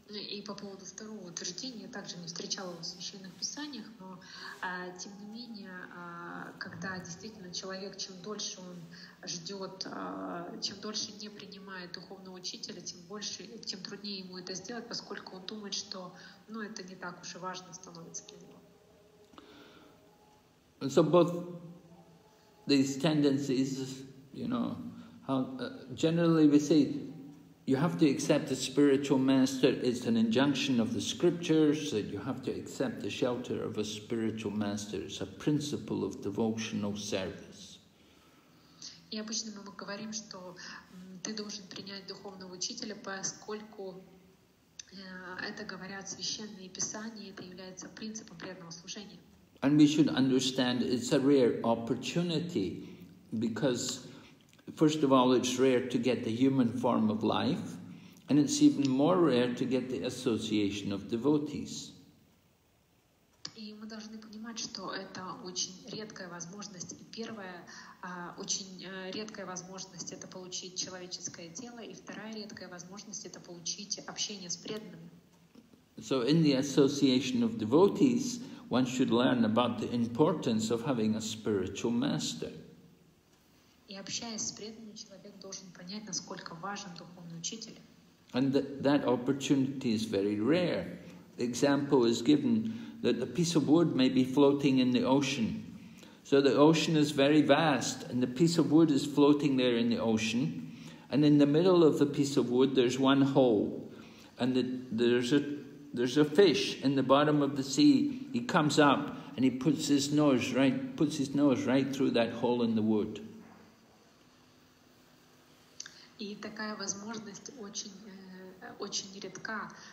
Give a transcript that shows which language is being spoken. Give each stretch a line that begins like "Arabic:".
Russian: И по поводу второго утверждения, я также не встречала его в священных писаниях, но тем не менее, когда действительно человек, чем дольше он ждет, чем дольше не принимает духовного учителя, тем больше, тем труднее ему это сделать, поскольку он думает, что ну, это не так уж и важно становится для него.
English: So both these tendencies, you know, how, generally we say, you have to accept the spiritual master. It's an injunction of the scriptures that you have to accept the shelter of a spiritual master. It's a principle of devotional service.
Russian: И обычно мы говорим, что ты должен принять духовного учителя, поскольку это говорят священные писания, это является принципом преданного служения.
English: And we should understand it's a rare opportunity, because first of all, it's rare to get the human form of life, and it's even more rare to get the association of devotees.
Russian: И мы должны понимать, что это очень редкая возможность. И первая очень редкая возможность это получить человеческое тело, и вторая редкая возможность это получить общение с преданными.
English: So in the association of devotees, one should learn about the importance of having a spiritual master.
Russian: И общаясь с преданным, человек должен понять, насколько важен духовный учитель.
English: And that opportunity is very rare. The example is given that a piece of wood may be floating in the ocean. So the ocean is very vast, and the piece of wood is floating there in the ocean. And in the middle of the piece of wood, there's one hole. And there's a fish in the bottom of the sea. He comes up, and he puts his nose right through that hole in the wood.
Russian: И такая возможность очень редка.